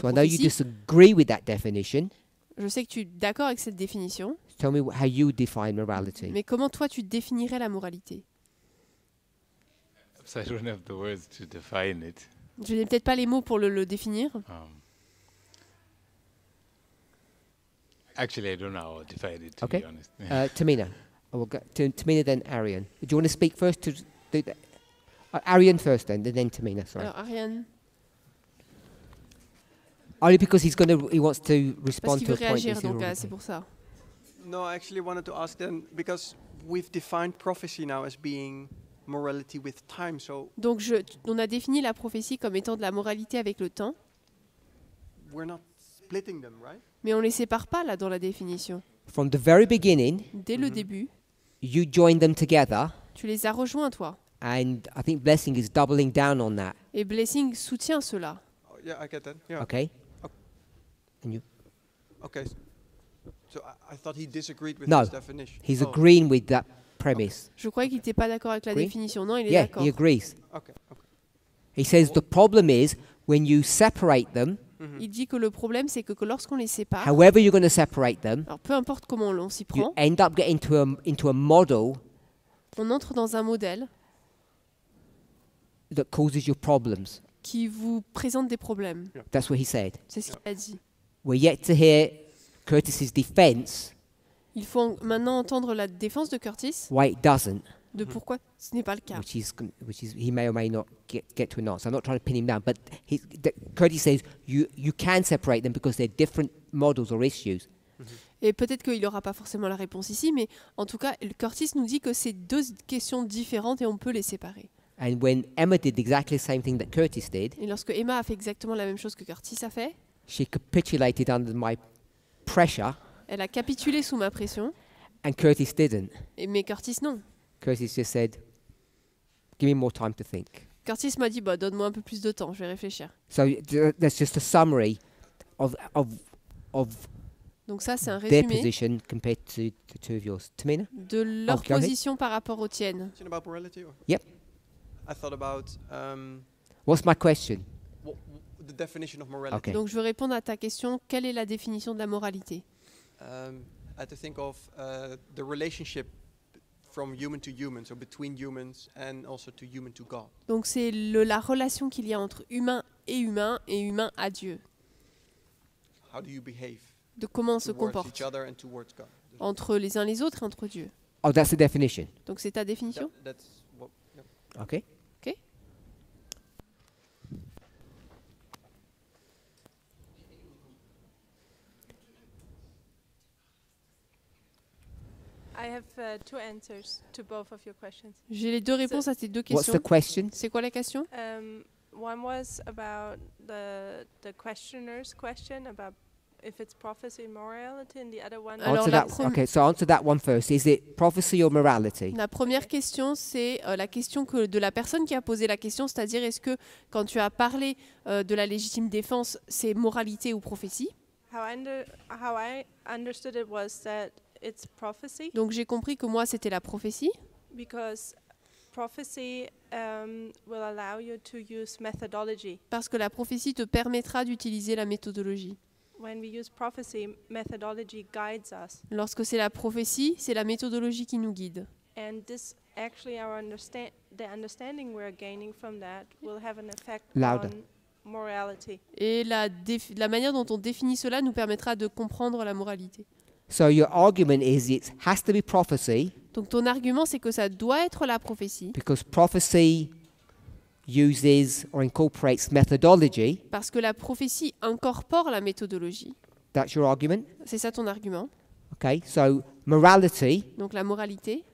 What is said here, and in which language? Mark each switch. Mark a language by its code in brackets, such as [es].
[en] prophétie. I know you disagree with that definition. [fr] Je sais que tu es d'accord avec cette définition. [en] Tell me how you define morality. [fr] Mais comment toi tu définirais la moralité? [en] So I don't have the words to define it. [fr] Je n'ai peut-être pas les mots pour le définir. [en] Actually, I don't know how to define it, to okay. be honest. Tamina. Oh, we'll go to Tamina, then Arian. Do you want to speak first? To Arian first, then Tamina, sorry. [fr] Alors, Arian. [en] Only because he wants to respond [fr] Parce qu'il [en] to a point. [fr] Réagir, donc, c'est pour ça. [en] No, I actually wanted to ask then, because we've defined prophecy now as being morality with time. So [fr] donc on a défini la prophétie comme étant de la moralité avec le temps. [en] We're not splitting them, right? [fr] Mais on les sépare pas là dans la définition. [en] From the very beginning, [fr] dès le début, [en] you join them together. [fr] Tu les as rejoints toi. [en] And I think Blessing is doubling down on that. [fr] Et Blessing soutient cela. [en] Oh, yeah, I get that. Yeah. Okay. And you? Okay. So I thought he disagreed with no. this definition. No, he's agreeing with that premise. Okay. [fr] Je croyais qu'il n'était pas d'accord avec la définition. Non, il est [en] yeah, [fr] d'accord. [en] He agrees. Okay. Okay. He says the problem is when you separate them. [fr] Il dit que le problème c'est que lorsqu'on les sépare. [en] However you're going to separate them. [fr] Alors peu importe comment on s'y prend. [en] You end up getting into a model. [fr] On entre dans un modèle. [en] That causes your problems. [fr] Qui vous présente des problèmes. [en] Yeah. That's what he said. [fr] C'est ce qu'il a dit. [en] We're yet to hear Curtis's defense. [fr] Il faut maintenant entendre la défense de Curtis. [en] Why it doesn't. [fr] De pourquoi ce n'est pas le cas. [en] Which is he may or may not get to an answer. I'm not trying to pin him down, but Curtis says you can separate them because they're different models or issues. [fr] Et peut-être qu'il n'aura pas forcément la réponse ici, mais en tout cas, Curtis nous dit que c'est deux questions différentes et on peut les séparer. [en] And when Emma did exactly the same thing that Curtis did. [fr] Et lorsque Emma a fait exactement la même chose que Curtis a fait. [en] She capitulated under my pressure. [fr] Elle a capitulé sous ma pression. [en] And Curtis didn't. [fr] Mais Curtis non. [en] Curtis just said, "Give me more time to think." [fr] Curtis m'a dit, "Bah, donne-moi un peu plus de temps, je vais réfléchir." [en] So that's just a summary of. [fr] Donc ça, c'est un résumé. [en] Their position compared to the two of yours, Tamina. [fr] De leur position par rapport aux tiennes. [en] Is it about morality? Yep. I thought about. What's my question? The definition of morality. Okay. [fr] Donc je veux répondre à ta question. Quelle est la définition de la moralité? [en] I had to think of the relationship from human to human, so between humans and also to human to God. [fr] Donc c'est la relation qu'il y a entre humain et humain et humain à Dieu. [en] How do you behave? [fr] De comment on se comporte? [en] Towards each other and towards God. [fr] Entre les uns les autres et entre Dieu. [en] Oh, that's the definition. [fr] Donc c'est ta définition? [en] That's what, yeah. Okay. I have two answers to both of your questions. [fr] J'ai les deux réponses à tes deux questions. [en] What's the question? [fr] C'est quoi la question? [en] One was about the questioner's question about if it's prophecy or morality, and the other one. Alors answer that. Okay, so answer that one first. Is it prophecy or morality? [fr] La première question, c'est la question de la personne qui a posé la question, c'est-à-dire est-ce que quand tu as parlé de la légitime défense, c'est moralité ou prophétie? [en] How I understood it was that. It's prophecy. [fr] Donc j'ai compris que moi c'était la prophétie. [en] Because prophecy will allow you to use methodology. [fr] Parce que la prophétie te permettra d'utiliser la méthodologie. [en] When we use prophecy, methodology guides us. [fr] Lorsque c'est la prophétie, c'est la méthodologie qui nous guide. [en] And this actually our the understanding we're gaining from that will have an effect louder. On morality. [fr] Et la manière dont on définit cela nous permettra de comprendre la moralité. [en] So your argument is it has to be prophecy. [fr] Donc ton argument c'est que ça doit être la prophétie. [en] Because prophecy uses or incorporates methodology. [fr] Parce que la prophétie incorpore la méthodologie. [en] That's your argument? [fr] C'est ça ton argument? [en] Okay. So morality. [fr] Donc la moralité.